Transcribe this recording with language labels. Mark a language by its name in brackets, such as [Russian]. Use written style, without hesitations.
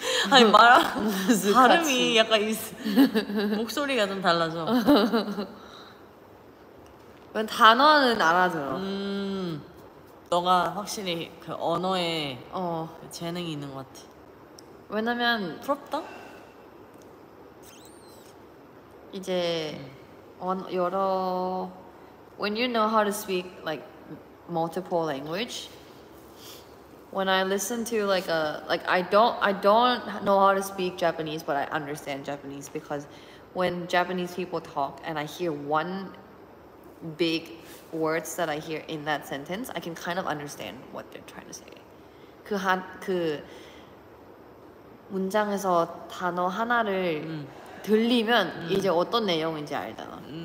[Korean] 아니 말하는 발음이 약간 목소리가 좀 달라져 단어는 알아들어 너가 확실히 그 언어에 그 재능이 있는 것 같아 왜냐면 부럽다? 이제 여러 [English] when you know how to speak like multiple language when I listen to like a like I don't know how to speak Japanese but I understand Japanese because when Japanese people talk and I hear one big words that I hear in that sentence I can kind of understand what they're trying to say [Korean] 그 한 그 문장에서 단어 하나를 들리면 이제 어떤 내용인지 알잖아.